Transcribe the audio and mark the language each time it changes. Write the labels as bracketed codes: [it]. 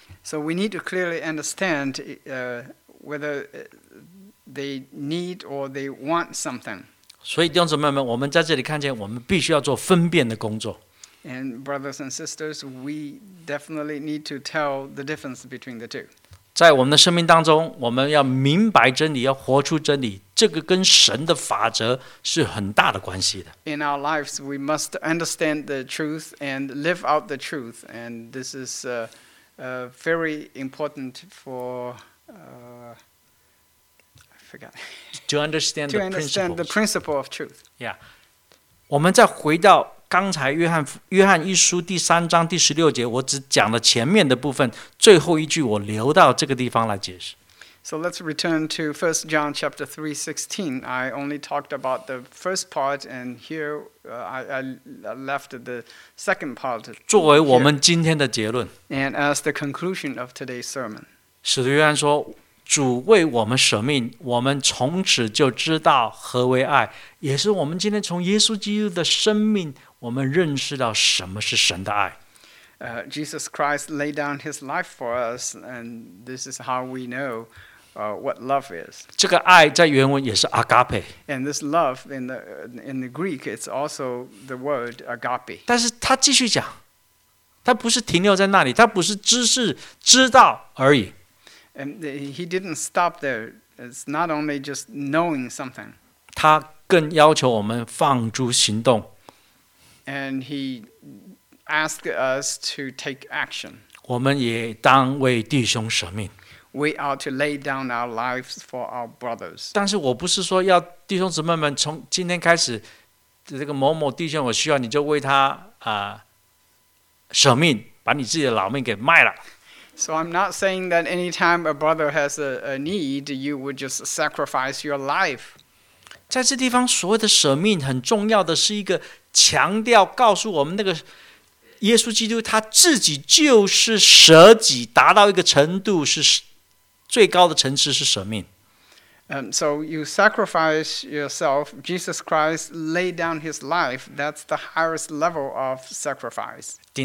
[en] So we need to clearly understand whether they need or they want something. [zh] 所以弟兄姊妹们，我们在这里看见，我们必须要做分辨的工作。 [en] And brothers and sisters, we definitely need to tell the difference between the two. [zh] 在我们的生命当中，我们要明白真理，要活出真理，这个跟神的法则是很大的关系的。 [en] In our lives, we must understand the truth and live out the truth, and this is very important for I forgot. To understand the principle of truth. Yeah. [zh] 我们再回到刚才约翰一书第三章第十六节，我只讲了前面的部分，最后一句我留到这个地方来解释。 [en] So let's return to 1 John chapter 3:16. I only talked about the first part, and here I left the second part. [zh] 作为我们今天的结论。 [en] And as the conclusion of today's sermon. [zh] 使徒约翰说，主为我们舍命，我们从此就知道何为爱，也是我们今天从耶稣基督的生命。我们认识到什么是神的爱。 [en] Jesus Christ laid down his life for us, and this is how we know what love is. [zh] 这个爱在原文也是 agape. [en] And this love in the Greek, it's also the word agape. [zh] 但是他继续讲，他不是停留在那里，他不是知识知道而已。 [en] And he didn't stop there. It's not only just knowing something. [zh] 他更要求我们放诸行动。 [en] And he asked us to take action. [zh] 我们也当为弟兄舍命。 [en] We are to lay down our lives for our brothers. [zh] 但是我不是说要弟兄姊妹们从今天开始，这个某某弟兄我需要你就为他舍命，把你自己的老命给卖了。 [en] So I'm not saying that any time a brother has a need, you would just sacrifice your life. [zh] 在这地方所谓的舍命很重要的是一个强调告诉我们那个耶稣基督他自己就是舍己达到一个程度是最高的层次是舍命。 [en] So you sacrifice yourself, Jesus Christ laid down his life, that's the highest level of sacrifice.